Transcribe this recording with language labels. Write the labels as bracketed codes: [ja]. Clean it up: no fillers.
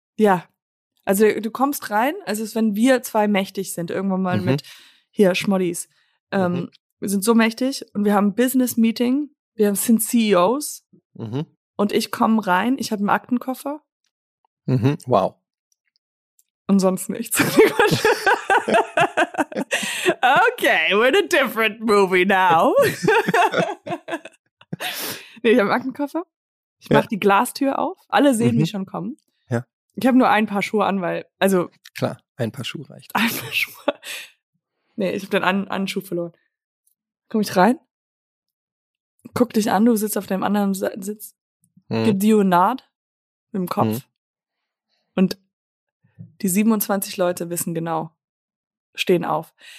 [de] Ja, also du kommst rein, also es ist, wenn wir zwei mächtig sind, irgendwann mal mit hier Schmoddis. Wir sind so mächtig und wir haben Business-Meeting, wir sind CEOs und ich komme rein, ich habe einen Aktenkoffer. Wow. Und sonst nichts. [en] Okay, we're in a different movie now. [de] Nee, ich habe einen Aktenkoffer, ich mache die Glastür auf, alle sehen mich schon kommen. Ja. Ich habe nur ein paar Schuhe an, weil, also... Klar, ein paar Schuhe reicht. Ein paar Schuhe. Nee, ich habe dann einen Schuh verloren. Komm ich rein, guck dich an, du sitzt auf deinem anderen Sitz, gib dir eine Nod mit dem Kopf und die 27 Leute wissen genau, stehen auf.